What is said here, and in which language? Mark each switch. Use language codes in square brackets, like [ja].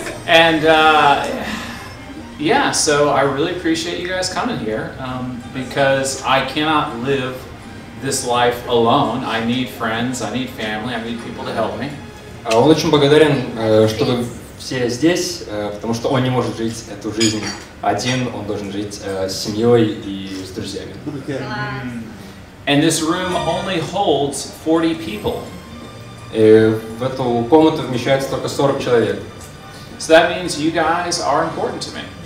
[en] Yeah, so I really appreciate you guys coming here because I cannot live this life alone. I need friends, I need family, I need people to help me. [ru] Он очень благодарен, что вы все здесь, потому что он не может жить эту жизнь один, он должен жить с семьей и с друзьями. [en] And this room only holds 40 people. [ru] В эту комнату вмещается только 40 человек. [en] So that means you guys are important to me.